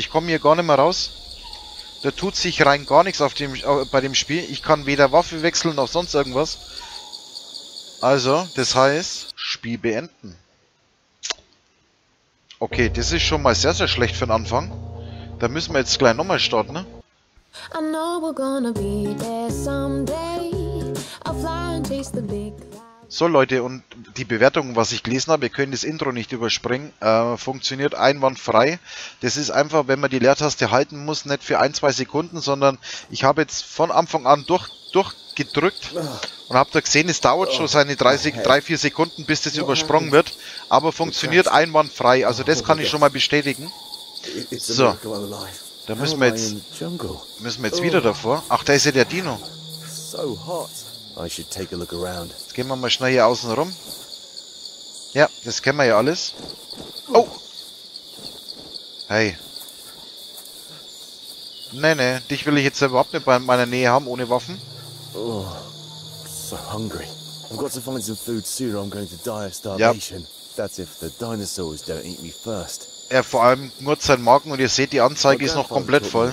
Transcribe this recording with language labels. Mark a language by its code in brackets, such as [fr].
[de] Ich komme hier gar nicht mehr raus. Da tut sich rein gar nichts auf dem bei dem Spiel. Ich kann weder Waffe wechseln noch sonst irgendwas. Also, das heißt, Spiel beenden. Okay, das ist schon mal sehr, sehr schlecht für den Anfang. Da müssen wir jetzt gleich nochmal starten, ne? [en] I know we're gonna be there someday. I'll fly and chase the big guy. [de] So Leute, und die Bewertung, was ich gelesen habe, wir können das Intro nicht überspringen, funktioniert einwandfrei. Das ist einfach, wenn man die Leertaste halten muss, nicht für 1-2 Sekunden, sondern ich habe jetzt von Anfang an durchgedrückt und habt ihr gesehen, es dauert schon seine 3-4 Sekunden, bis das übersprungen wird, aber funktioniert einwandfrei, also das kann ich schon mal bestätigen. So, da müssen wir jetzt wieder davor. Ach, da ist ja der Dino. Jetzt gehen wir mal schnell hier außen rum. Ja, das kennen wir ja alles. Oh! Hey. Nee, nee, dich will ich jetzt überhaupt nicht bei meiner Nähe haben, ohne Waffen. [en] So hungry. I've got to find some food soon or I'm going to die of starvation. Yep. That's if the dinosaurs don't eat me first. [de] Er vor allem nur seinen Magen und ihr seht, die Anzeige ist noch komplett voll.